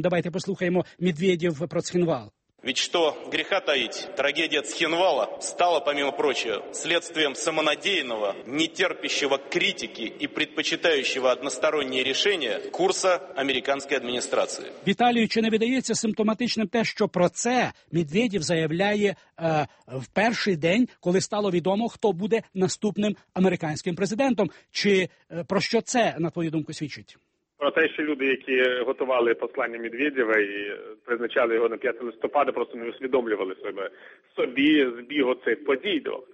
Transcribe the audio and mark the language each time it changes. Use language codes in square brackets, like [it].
[uk] Давайте послухаємо Медведєв про Цхінвал. [ru] Ведь что греха таить, трагедия Цхинвала стала, помимо прочего, следствием самонадеянного, нетерпящего критики и предпочитающего односторонние решения курса американской администрации. [uk] Віталію, чи не видається симптоматичним те, що про це Медведєв заявляє в перший день, коли стало відомо, хто буде наступним американським президентом? Чи про що це, на твою думку, свідчить? Про те, що люди, які готували послання Медведєва і призначали його на 5 листопада, просто не усвідомлювали собі збігу цих подій.